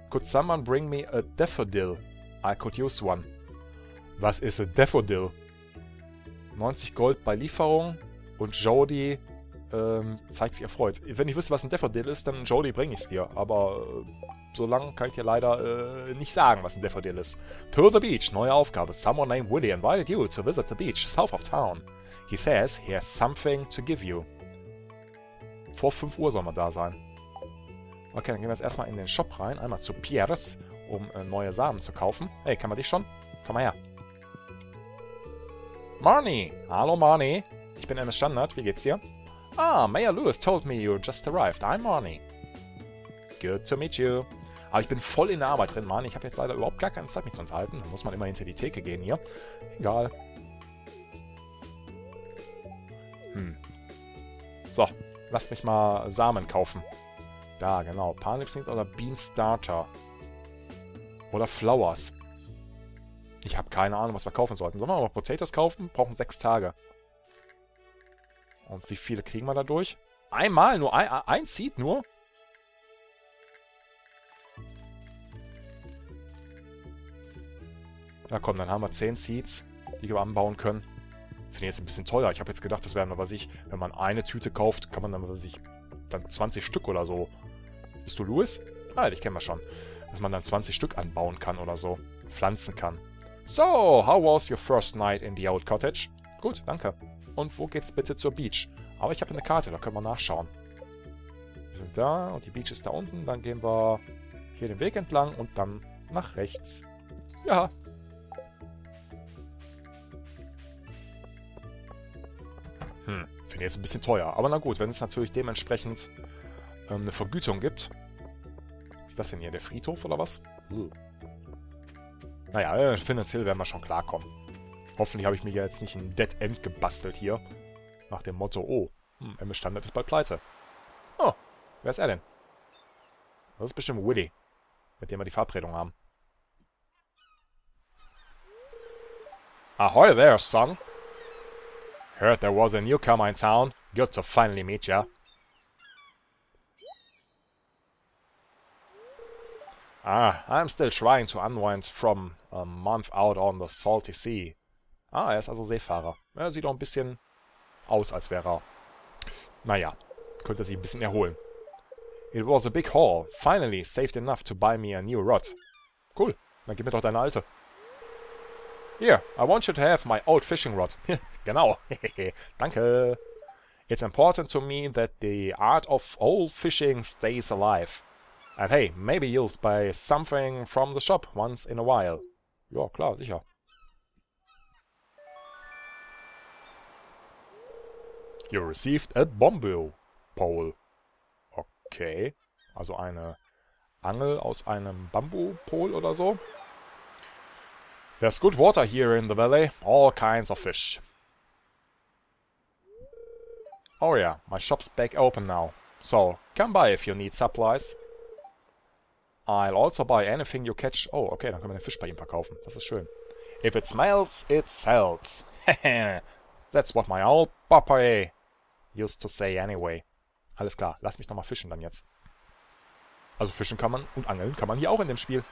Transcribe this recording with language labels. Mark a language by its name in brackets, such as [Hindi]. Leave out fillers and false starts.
[English] Could someone bring me a daffodil? I could use one. [German] Was ist ein Daffodil? 90 Gold bei Lieferung und Jody zeigt sich erfreut. Wenn ich wüsste, was ein Daffodil ist, dann Jody bringe ich es dir. Aber so lange kann ich dir leider nicht sagen, was ein Daffodil ist. [English] To the beach, [German] neue Aufgabe. [English] Someone named Willy invited you to visit the beach south of town. He says he has something to give you. [German] Vor 5 Uhr soll man da sein. Okay, dann gehen wir jetzt erstmal in den Shop rein. Einmal zu Pierres, um neue Samen zu kaufen. Hey, kann man dich schon? Komm mal her. Marnie! Hallo Marnie! Ich bin MS Standard, wie geht's dir? [English] Ah, Mayor Lewis told me you just arrived. I'm Marnie. Good to meet you. [German] Aber ich bin voll in der Arbeit drin, Marnie. Ich habe jetzt leider überhaupt gar keine Zeit, mich zu unterhalten. Da muss man immer hinter die Theke gehen hier. Egal. So, lass mich mal Samen kaufen. Da, genau. Parsnips oder Bean Starter. Oder Flowers. Ich habe keine Ahnung, was wir kaufen sollten. Sollen wir aber Potatoes kaufen? Brauchen 6 Tage. Und wie viele kriegen wir dadurch? Einmal nur? Ein Seed nur? Na komm, dann haben wir 10 Seeds, die wir anbauen können. Finde ich jetzt ein bisschen teuer. Ich habe jetzt gedacht, das wären, was ich, wenn man eine Tüte kauft, kann man dann, was ich, dann 20 Stück oder so. Bist du Louis? Ah, dich kennen wir schon. Dass man dann 20 Stück anbauen kann oder so. Pflanzen kann. [English] So, how was your first night in the old cottage? [German] Gut, danke. Und wo geht's bitte zur Beach? Aber ich habe eine Karte, da können wir nachschauen. Wir sind da und die Beach ist da unten. Dann gehen wir hier den Weg entlang und dann nach rechts. Ja. Finde ich jetzt ein bisschen teuer. Aber na gut, wenn es natürlich dementsprechend eine Vergütung gibt. Ist das denn hier der Friedhof oder was? Naja, finanziell werden wir schon klarkommen. Hoffentlich habe ich mir ja jetzt nicht ein Dead End gebastelt hier. Nach dem Motto, oh, MS Standard ist bald pleite. Oh, wer ist er denn? Das ist bestimmt Willy, mit dem wir die Verabredung haben. [English] Ahoy there, son. Heard there was a newcomer in town. Good to finally meet ya. Ah, I'm still trying to unwind from a month out on the salty sea. [German] Ah, er ist also Seefahrer. Er sieht doch ein bisschen aus, als wäre er... Naja, könnte sich ein bisschen erholen. [English] It was a big haul. Finally saved enough to buy me a new rod. [German] Cool, dann gib mir doch deine alte. [English] Here, I want you to have my old fishing rod. [German] Genau, danke. [English] It's important to me that the art of old fishing stays alive. And hey, maybe you'll buy something from the shop once in a while. [German] Ja, klar, sicher. [English] You received a bombo pole. Okay. [German] Also eine Angel aus einem Bambu-Pol oder so. [English] There's good water here in the valley. All kinds of fish. Oh yeah, my shop's back open now. So, come by if you need supplies. I'll also buy anything you catch. [German] Oh, okay, dann können wir den Fisch bei ihm verkaufen. Das ist schön. [English] If it smells, it sells. That's what my old papa used to say anyway. [German] Alles klar, lass mich nochmal fischen dann jetzt. Also fischen kann man und angeln kann man hier auch in dem Spiel.